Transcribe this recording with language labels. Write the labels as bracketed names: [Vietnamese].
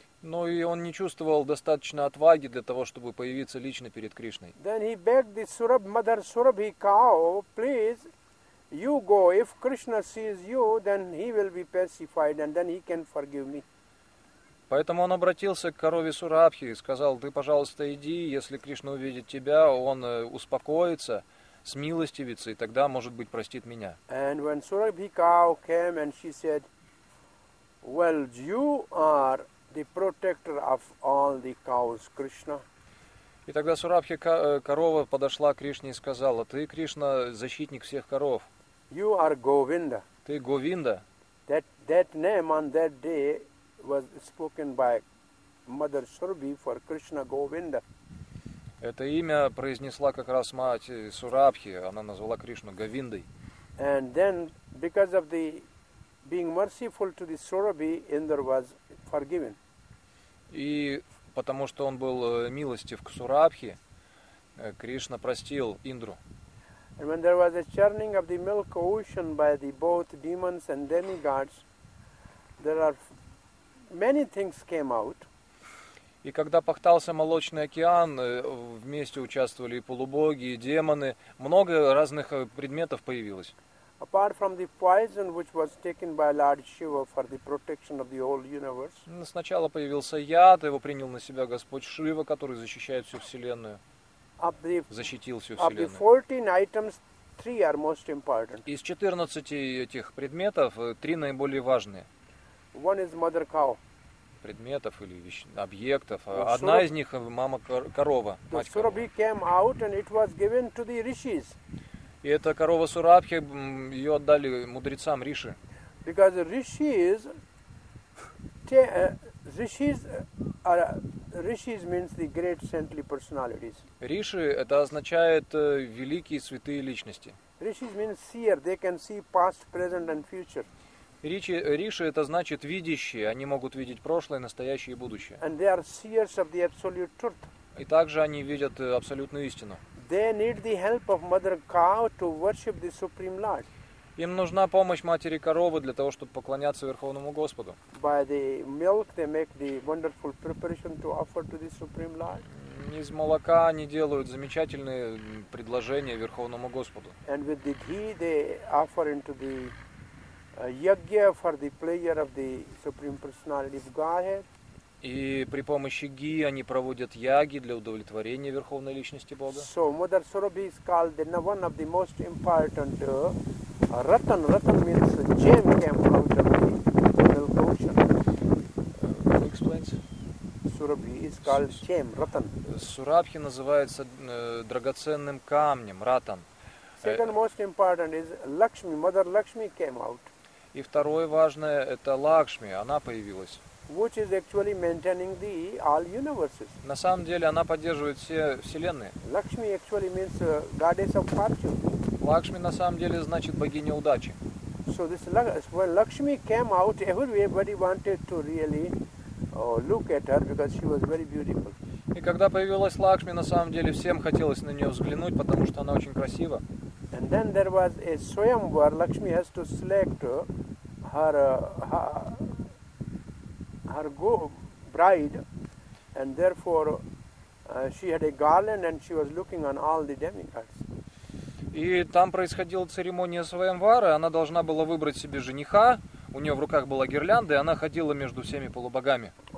[Russian] Ну и он не чувствовал достаточно отваги для того, чтобы появиться лично перед Кришной. [English] Then he begged the Surabh, mother Surabhi cow, please, you go. If Krishna sees you, then he will be pacified and then he can forgive me. [Russian] Поэтому он обратился к корове Сурабхи и сказал, ты, пожалуйста, иди, если Кришна увидит тебя, он успокоится. С милостивицей, и тогда, может быть, простит меня. [English] And when Surabhi cow came and she said, well, you are the protector of all the cows, Krishna. [Russian] И тогда Сурабхи корова подошла к Кришне и сказала, ты, Кришна, защитник всех коров. [English] You are Govinda. [Russian] Ты Говинда. [English] That name on that day was spoken by Mother Surabhi for Krishna Govinda. [Russian] Это имя произнесла как раз мать Сурабхи, она назвала Кришну Говиндой. [English] And then, because of the being merciful to the Surabhi, Indra was forgiven. [Russian] И потому что он был милостив к Сурабхи, Кришна простил Индру. [English] And when there was a churning of the milk ocean by the both demons and demigods, there are many things came out. [Russian] И когда пахтался молочный океан, вместе участвовали и полубоги, и демоны. Много разных предметов появилось. [English] Apart from the poison, which was taken by Lord Shiva for the protection of the whole universe. [Russian] Сначала появился яд, его принял на себя Господь Шива, который защищает всю Вселенную. Защитил всю Вселенную. [English] Of the 14 items, 3 are most important. [Russian] Из 14 этих предметов, 3 наиболее важные. [English] One is mother cow. [Russian] Предметов или объектов. Одна из них мама корова, мать корова. [English] Surabhi came out and it was given to the rishis. [Russian] И эта корова Сурабхи, ее отдали мудрецам риши. [English] Because rishis means the great saintly personalities. [Russian] Риши это означает великие святые личности. [English] Rishis means seer, they can see past, present and future. [Russian] Риши это значит видящие, они могут видеть прошлое, настоящее и будущее. [English] And they are seers of the absolute truth. [Russian] И также они видят абсолютную истину. [English] They need the help of mother cow to worship the supreme lord. [Russian] Им нужна помощь матери коровы для того, чтобы поклоняться Верховному Господу. [English] By the milk they make the wonderful preparation to offer to the supreme lord. [Russian] Из молока они делают замечательные предложения Верховному Господу. [English] And with the ghee they offer into the yagya for the pleasure of the supreme personality of Godhead. [Russian] И при помощи ги они проводят яги для удовлетворения верховной личности Бога. [English] So Mother Surabhi is called the one of the most important ratan. Ratan means gem came out of the milk ocean. Explains. Surabhi is called gem, ratan. [Russian] Сурабхи называется драгоценным камнем, ратан. [English] Second most important is Lakshmi. Mother Lakshmi came out. [Russian] И второе важное – это Лакшми, она появилась. [English] Which is actually maintaining the all universes. [Russian] На самом деле она поддерживает все вселенные. [English] Lakshmi actually means goddess of fortune. [Russian] Лакшми на самом деле значит богиня удачи. [English] So this, when Lakshmi came out, everybody wanted to really look at her because she was very beautiful. [Russian] И когда появилась Лакшми, на самом деле всем хотелось на нее взглянуть, потому что она очень красива. [English] And then there was a swayamvar. Lakshmi has to select her bride, and therefore she had a garland and she was looking on all the demigods. [Russian] И там происходила церемония свайамвара, она должна была выбрать себе жениха. У нее в руках была гирлянда, и она ходила между всеми полубогами.